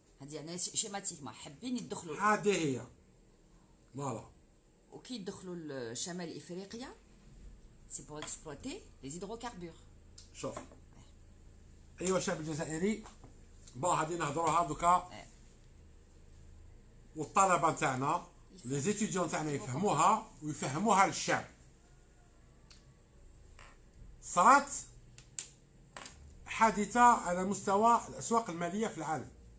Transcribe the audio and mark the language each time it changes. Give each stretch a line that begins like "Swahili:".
French: C'est-à-dire que schématiquement,
Arabic: حابين يدخلوا هذه هي.
French: Voilà.
Arabic: OK, يدخلوا le شمال إفريقيا.
French: C'est pour exploiter les hydrocarbures.
Arabic: شوف. أيوا الشعب الجزائري بون غادي نهضروها دوكا. والطلبة تاعنا لي زيتيديون تاعنا يفهموها ويفهموها للشعب. صارت حادثة على مستوى الأسواق المالية في العالم.